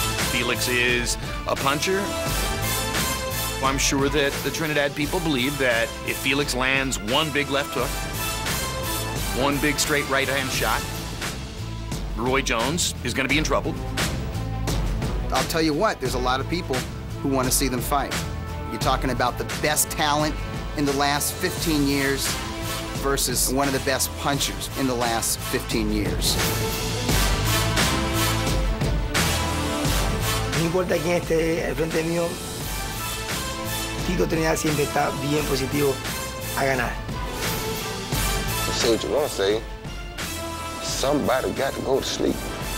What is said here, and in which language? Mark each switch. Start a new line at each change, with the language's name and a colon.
English: Felix is a puncher. I'm sure that the Trinidad people believe that if Felix lands one big left hook, one big straight right-hand shot, Roy Jones is going to be in trouble. I'll tell you what, there's a lot of people who want to see them fight. You're talking about the best talent in the last 15 years versus one of the best punchers in the last 15 years.
Spanish: No importa quién esté al frente mío, Tito Trinidad siempre está bien positivo a ganar.
English: Say what you want to say. Somebody got to go to sleep.